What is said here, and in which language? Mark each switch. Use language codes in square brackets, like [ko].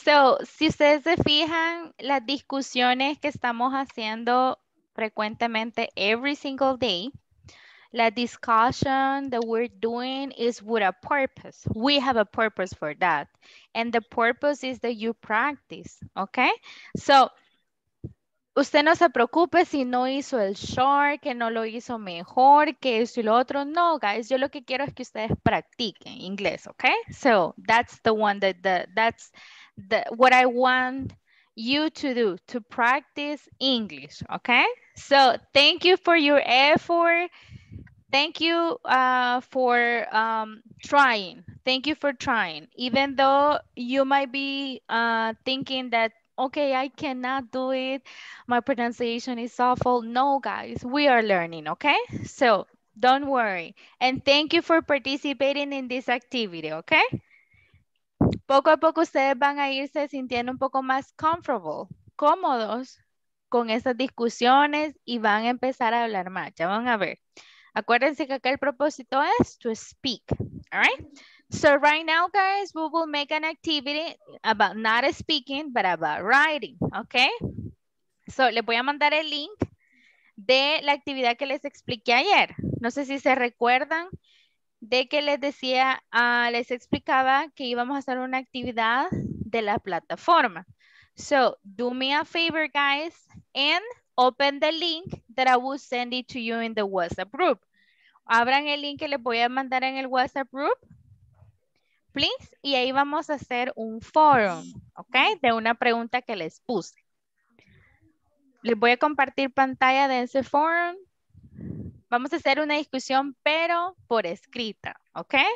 [en] So, [es] si ustedes se fijan, las discusiones que estamos haciendo frecuentemente [en] every single day, la discussion that we're doing is with a purpose. We have a purpose for that. And the purpose is that you practice, okay? [es] So, usted no se preocupe si no hizo el short, que no lo hizo mejor, que eso y lo otro. No, guys, yo lo que quiero es que ustedes practiquen inglés, okay? [en] So, that's the one that, what I want you to do, to practice English, okay? So, thank you for your effort. Thank you for trying. Thank you for trying. Even though you might be thinking that okay, I cannot do it. My pronunciation is awful. No, guys, we are learning, okay? So don't worry. And thank you for participating in this activity, okay? [es] Poco a poco ustedes van a irse sintiendo un poco más comfortable, cómodos con esas discusiones y van a empezar a hablar más. Ya van a ver. Acuérdense que acá el propósito es [en] to speak, all right? So right now, guys, we will make an activity about not speaking, but about writing, okay? [es] So les voy a mandar el link de la actividad que les expliqué ayer. No sé si se recuerdan de que les decía, les explicaba que íbamos a hacer una actividad de la plataforma. [en] So do me a favor, guys, and open the link that I will send it to you in the WhatsApp group. [es] Abran el link que les voy a mandar en el WhatsApp group, please, y ahí vamos a hacer un forum, ¿ok? De una pregunta que les puse. Les voy a compartir pantalla de ese forum. Vamos a hacer una discusión, pero por escrita, ¿ok?